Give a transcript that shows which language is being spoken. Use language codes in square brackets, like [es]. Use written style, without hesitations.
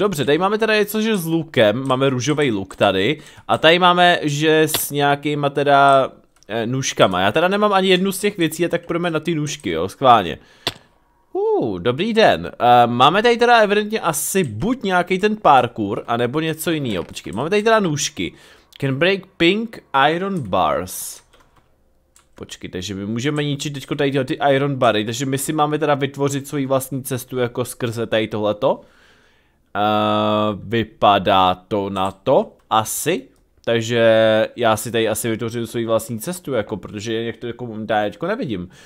[cs] Dobře, tady máme teda něco, že s lukem, máme růžový luk tady, a tady máme, že s nějakýma teda nůžkama. Já teda nemám ani jednu z těch věcí, tak půjdeme na ty nůžky, jo, skválně. Dobrý den. Máme tady teda evidentně asi buď nějaký ten parkour, anebo něco jiného. Počkej, máme tady teda nůžky. [en] Can break pink iron bars. [cs] Počkej, takže my můžeme ničit teďko tady ty iron bary, takže my si máme teda vytvořit svoji vlastní cestu jako skrze tady tohleto. Vypadá to na to, asi. Takže já si tady asi vytvořím svoji vlastní cestu, jako, protože jak to jako dáječko nevidím.